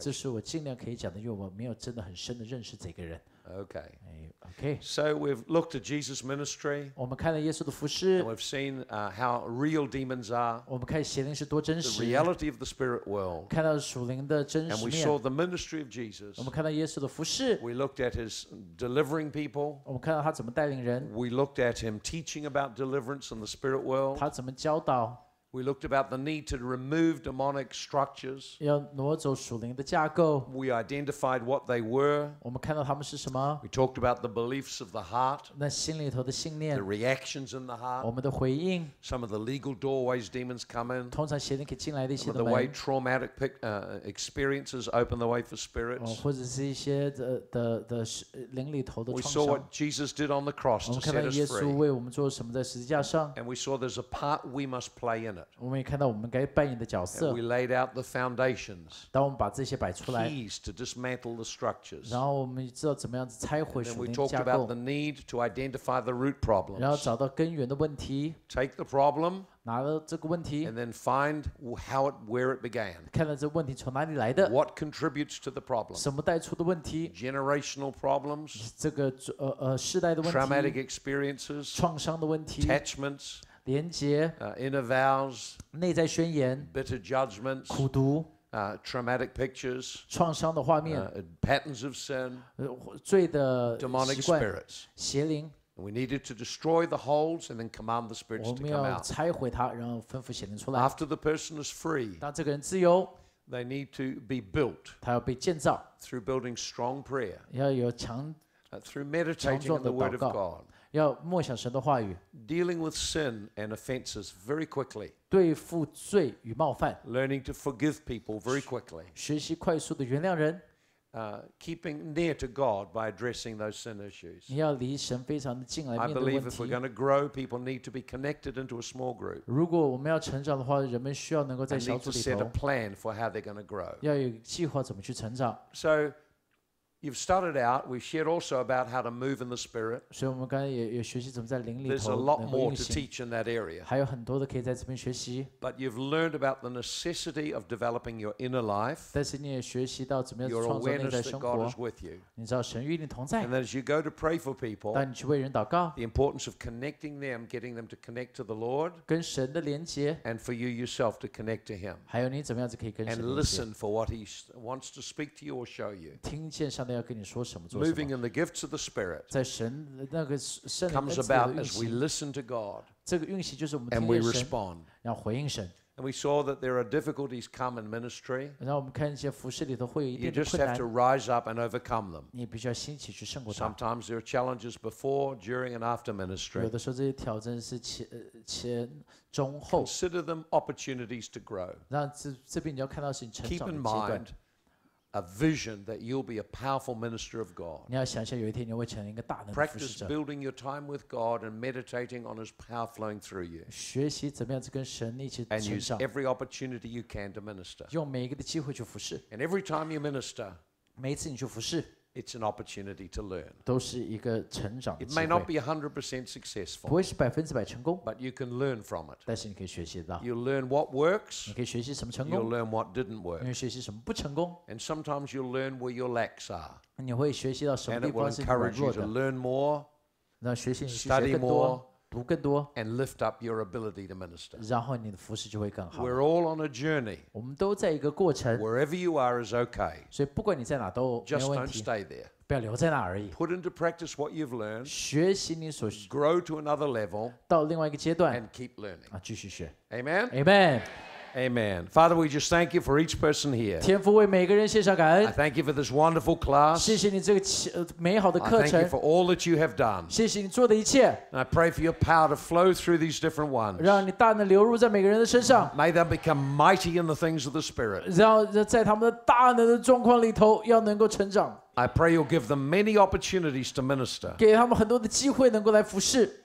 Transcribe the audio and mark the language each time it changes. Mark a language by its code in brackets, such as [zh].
[zh] 这是我尽量可以讲的，因为我没有真的很深的认识这个人。 [en] Okay. Okay. So we've looked at Jesus' ministry. [zh] 我们看了耶稣的服事。 [en] And we've seen how real demons are. [zh] 我们看邪灵是多真实。 [en] The reality of the spirit world. [zh] 看到属灵的真实面。 [en] And we saw the ministry of Jesus. [zh] 我们看到耶稣的服事。 [en] We looked at his delivering people. [zh] 我们看到他怎么带领人。 [en] We looked at him teaching about deliverance in the spirit world. [zh] 他怎么教导。 [en] We looked about the need to remove demonic structures. [zh] 要挪走属灵的架构。 [en] We identified what they were. [zh] 我们看到他们是什么。 [en] We talked about the beliefs of the heart. [zh] 那心里头的信念。 [en] The reactions in the heart. [zh] 我们的回应。 [en] Some of the legal doorways demons come in. [zh] 通常邪灵可以进来的一些门。 [en] Some of the way traumatic experiences open the way for spirits. [zh] 或者是一些的灵里头的创伤。 [en] We saw what Jesus did on the cross to set us free. [zh] 我们看到耶稣为我们做什么在十字架上。 [en] And we saw there's a part we must play in. [zh] 我们也看到我们该扮演的角色。 [en] We laid out the foundations. [zh] 当我们把这些摆出来。 [en] Keys to dismantle the structures. [zh] 然后我们知道怎么样子拆毁属灵架构。 [en] And then we talked about the need to identify the root problems. [zh] 然后找到根源的问题。 [en] Take the problem. [zh] 拿了这个问题。 [en] And then find how it where it began. [zh] 看到这问题从哪里来的。 [en] What contributes to the problem? [zh] 什么带出的问题。 [en] Generational problems. [zh] 这个世代的问题。 [en] Traumatic experiences. [zh] 创伤的问题。 [en] Attachments. [zh] 连接 [en] inner vows, [zh] 内在宣言 [en] bitter judgments, [zh] 苦读 [en] traumatic pictures, [zh] 创伤的画面 [en] patterns of sin, [zh] 罪的习惯 [en] demonic spirits, [zh] 邪灵 [en] we needed to destroy the holds and then command the spirits to come out. [zh] 我们要拆毁它，然后吩咐邪灵出来。 [en] After the person is free, [zh] 当这个人自由。 [en] They need to be built, [zh] 他要被建造。 [en] Through building strong prayer, [zh] 要有强 [en] through meditating on the word of God. [zh] 要默想神的话语。 [en] Dealing with sin and offenses very quickly. [zh] 对付罪与冒犯。 [en] Learning to forgive people very quickly. [zh] 学习快速的原谅人。 [en] Keeping near to God by addressing those sin issues. [zh] 你要离神非常的近来面对问题。 [en] I believe if we're going to grow, people need to be connected into a small group. [zh] 如果我们要成长的话，人们需要能够在小组里头。 [en] And need to set a plan for how they're going to grow. [zh] 要有计划怎么去成长。 [en] So. You've started out. We shared also about how to move in the spirit. [zh] 所以我们刚才也学习怎么在灵里头。 [en] There's a lot more to teach in that area. [zh] 还有很多的可以在这边学习。 [en] But you've learned about the necessity of developing your inner life. [zh] 但是你也学习到怎么样创造内在生活。 [en] Your awareness that God is with you. [zh] 你知道神与你同在。 [en] And as you go to pray for people, [zh] 当你去为人祷告。 [en] The importance of connecting them, getting them to connect to the Lord. [zh] 跟神的连接。 [en] And for you yourself to connect to Him. [zh] 还有你怎么样子可以跟神连接。 [en] And listen for what He wants to speak to you or show you. [zh] 听见上帝。要跟你说什么做什么。 [en] Moving in the gifts of the Spirit [zh] 在神那个圣灵 [en] comes about as we listen to God [zh] 这个运行就是我们听见神 [en] and we respond [zh] 要回应神 [en] And we saw that there are difficulties come in ministry. You just have to rise up and overcome them. [zh] 你必须要兴起去胜过它。 [en] Sometimes there are challenges before, during, and after ministry. [zh] 有的时候这些挑战是前中后。 [en] Consider them opportunities to grow. [zh] 让这边你要看到是你成长的阶段。 [en] Keep in mind a vision that you'll be a powerful minister of God. [zh] 你要想象有一天你会成为一个大能的服侍者。 [en] Practice building your time with God and meditating on His power flowing through you. [zh] 学习怎么样子跟神一起成长。 [en] And use every opportunity you can to minister. [zh] 用每一个的机会去服侍。 [en] And every time you minister, [zh] 每次你去服侍。 [en] It's an opportunity to learn. [zh] 都是一个成长的机会。 [en] It may not be 100% successful. [zh] 不会是百分之百成功。 [en] But you can learn from it. [zh] 但是你可以学习到。 [en] You'll learn what works. [zh] 你可以学习什么成功。 [en] You'll learn what didn't work. [zh] 你会学习什么不成功。 [en] And sometimes you'll learn where your lacks are. [zh] 你会学习到什么地方是你弱的。 [en] And it will encourage you to learn more. [zh] 让学习你去学更多。读更多。 [en] And lift up your ability to minister. [zh] 然后你的服事就会更好。 [en] We're all on a journey. [zh] 我们都在一个过程。 [en] Wherever you are is okay. [zh] 所以不管你在哪都没有问题。 [en] Just don't stay there. [zh] 不要留在那而已。 [en] Put into practice what you've learned. [zh] 学习你所学。 [en] Grow to another level. [zh] 到另外一个阶段。 [en] And keep learning. [zh] 啊，继续学。 [en] Amen. Amen. Amen. Father, we just thank you for each person here. [zh] 天父为每个人献上感恩。 [en] I thank you for this wonderful class. [zh] 谢谢你这个美好的课程。 [en] I thank you for all that you have done. [zh] 谢谢你做的一切。 [en] And I pray for your power to flow through these different ones. [zh] 让你大能流入在每个人的身上。 [en] May they become mighty in the things of the Spirit. [zh] 让在他们的大能的状况里头要能够成长。 [en] I pray you'll give them many opportunities to minister. [zh] 给他们很多的机会能够来服事。